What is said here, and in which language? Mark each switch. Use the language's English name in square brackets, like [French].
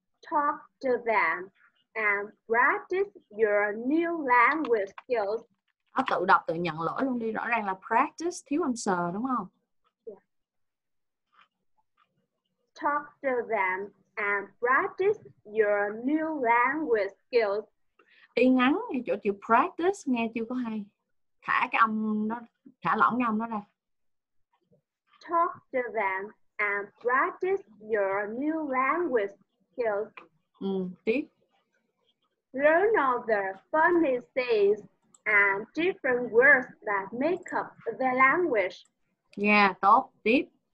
[English] Talk to them and practice your new language skills. [Vietnamese] Đó, tự đọc, tự nhận lỗi luôn đi. Rõ ràng là practice, thiếu âm sờ đúng không? [English] Yeah. Talk to them and practice your new language skills. [Vietnamese] Y ngắn, chỗ chữ practice nghe chưa có hay. Thả cái âm nó, thả lỏng cái âm nó ra. [English] Talk to them and practice your new language skills. [Vietnamese] Tiếp. [English] Learn all the funny things and different words that make up the language. [Vietnamese] Yeah, tốt. Tiếp.